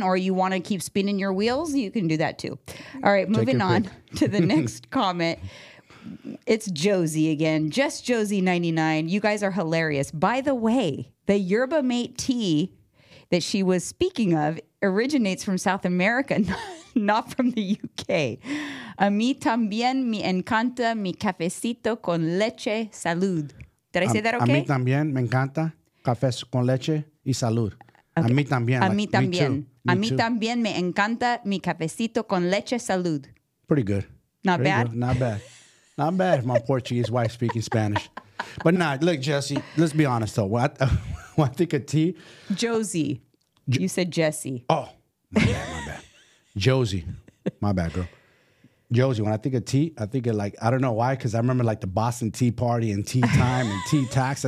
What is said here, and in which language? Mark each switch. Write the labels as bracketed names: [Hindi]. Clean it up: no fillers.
[English] Or you want to keep spinning your wheels, you can do that too. All right, moving on to the next comment. It's Josie again. Just Josie 99. You guys are hilarious. By the way, the Yerba Mate tea that she was speaking of originates from South America, not from the UK. [Spanish] A mí también me encanta mi cafecito con leche. [English] Salud. Did I say that okay? [Spanish] A mí también me encanta café con leche y salud. Okay. A mí también. A mí también. A mí también me encanta mi cafecito con leche. Salud. [English] Pretty good. Not pretty bad? Good. Not bad. Not bad if my Portuguese wife speaking Spanish. But nah, look, Jesse, let's be honest, though. When I think of tea. Josie. You said Jesse. Oh, my bad. Josie. My bad, girl. Josie, when I think of tea, I think of, like, I don't know why, because I remember, like, the Boston Tea Party and Tea Time and Tea Tax.